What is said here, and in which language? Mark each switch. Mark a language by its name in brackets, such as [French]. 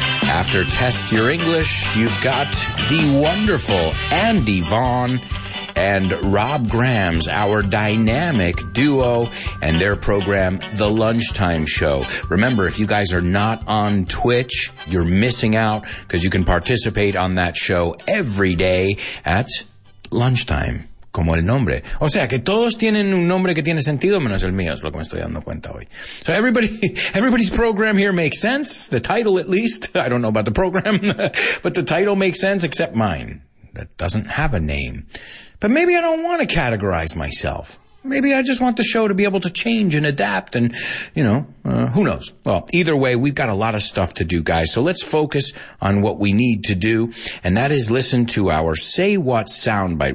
[English] After Test Your English, you've got the wonderful Andy Vaughn and Rob Grams, our dynamic duo, and their program, The Lunchtime Show. Remember, if you guys are not on Twitch, you're missing out, because you can participate on that show every day at lunchtime. [Spanish] Como el nombre. O sea, que todos tienen un nombre que tiene sentido, menos el mío, es lo que me estoy dando cuenta hoy. [English] So everybody's program here makes sense. The title, at least. I don't know about the program, but the title makes sense, except mine. That doesn't have a name. But maybe I don't want to categorize myself. Maybe I just want the show to be able to change and adapt and, you know, who knows? Well, either way, we've got a lot of stuff to do, guys. So let's focus on what we need to do, and that is listen to our Say What soundbite.